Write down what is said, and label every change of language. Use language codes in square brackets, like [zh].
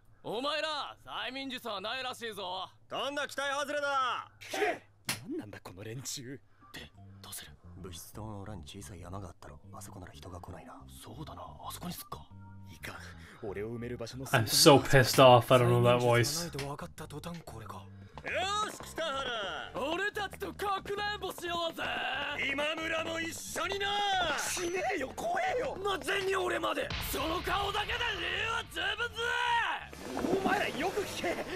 [ja] お前ら、催眠術はないらしいぞ。どんな期待外れだ。なんなんだこの連中。で、どうする。物質棟の裏に小さい山があったろ。あそこなら人が来ないな。そうだな、あそこにすっか。いか、俺を埋める場所の。 [en] I'm so pissed off. I don't know that voice. [ja] 催眠術がないと分かった途端これか。よし、北原。俺たちとかくれんぼしようぜ。今村も一緒にな。死ねえよ、怖えよ。なぜに俺まで。その顔だけで理由は十分ぜ。お前らよく聞け。